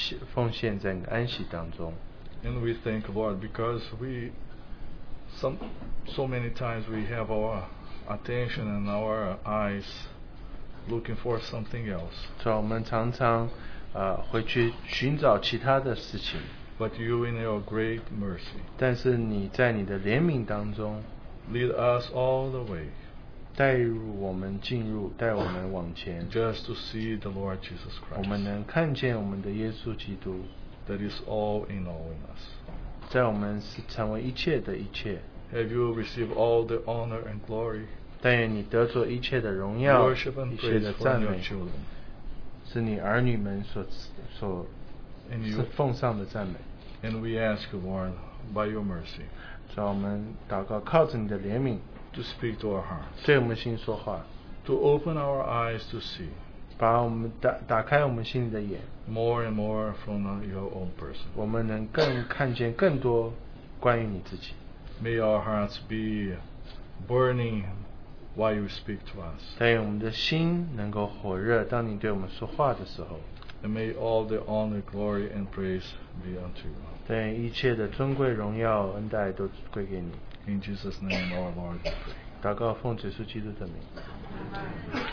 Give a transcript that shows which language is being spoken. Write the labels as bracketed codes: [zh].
[zh] 我们真的能够把我们自己奉献在安息当中。 [en] And we thank God because so many times we have our attention and our eyes looking for something else. [zh] 所以我们常常回去寻找其他的事情。 [en] But you in your great mercy. [zh] 但是你在你的怜悯当中, [en] lead us all the way. [zh] 带入我们进入, 带我们往前, [en] just to see the Lord Jesus Christ. [zh] 我们能看见我们的耶稣基督, [en] that is all in all in us. [zh] 在我们成为一切的一切, [en] have you received all the honor and glory? [zh] 但愿你得着一切的荣耀, [en] worship and praise for your children. [zh] 是你儿女们所 [en] and you, [zh] 是奉上的赞美。 [en] And we ask, Lord, by your mercy, [zh] 主要我们祷告, 靠着你的怜悯, [en] to speak to our hearts, [zh] 对我们心说话, [en] to open our eyes to see, [zh] 把我们打开我们心里的眼, [en] more and more from your own person. [zh] 我们能更看见更多关于你自己。 [en] May our hearts be burning while you speak to us. [zh] 但愿我们的心能够火热, 当你对我们说话的时候。 [en] And may all the honor, glory, and praise be unto you. [zh] 对一切的尊贵荣耀恩待都归给你。 [en] In Jesus' name, our Lord, we pray. [zh] 祷告奉主耶稣基督的名。